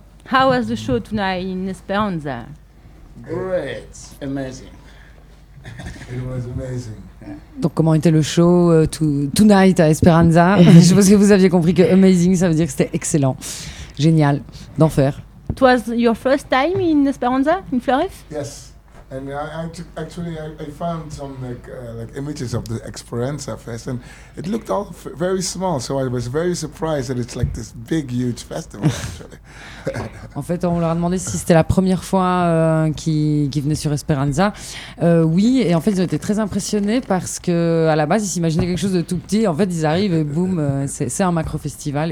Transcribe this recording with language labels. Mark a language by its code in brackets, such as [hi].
[en] How was the show tonight in Esperanza? Great. Amazing. It was amazing. [fr] Donc comment était le show [en] tonight [fr] à Esperanza? Je pense que vous aviez compris que amazing, ça veut dire que c'était excellent, génial, d'enfer. [en] It was your first time in Esperanza, in Fleurus? Yes, and I found some like images of the Esperanza Fest, and it looked all very small, so I was very surprised that it's like this big, huge festival. [fr] En fait, on leur a demandé si c'était la première fois qu'ils venaient sur Esperanza. Oui, et en fait, ils ont été très impressionnés parce qu'à la base, ils s'imaginaient quelque chose de tout petit. En fait, ils arrivent et boum, c'est un macro-festival.